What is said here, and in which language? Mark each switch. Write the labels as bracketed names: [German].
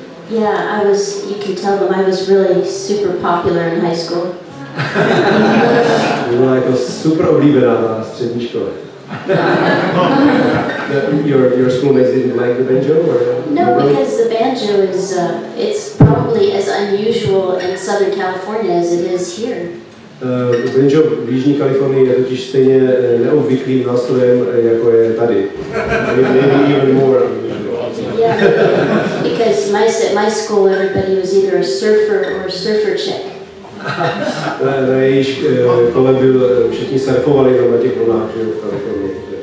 [English] Yeah, I was, you can tell them, I was really super popular in high school. [Czech] Byla jako super oblíbená na střední škole. [English] Your schoolmates didn't like the banjo, or? No, because the banjo is it's probably as unusual in Southern California as it is here. [Czech] Banjo v Jižní Kalifornii je totiž stejně neobvyklým nástrojem, jako je tady. [English] Maybe even more. Yeah, because my school, everybody was either a surfer or a surfer chick. [Czech] Na jejich kole byl, všichni surfovali na těch vlnách, že jo, v Kalifornii.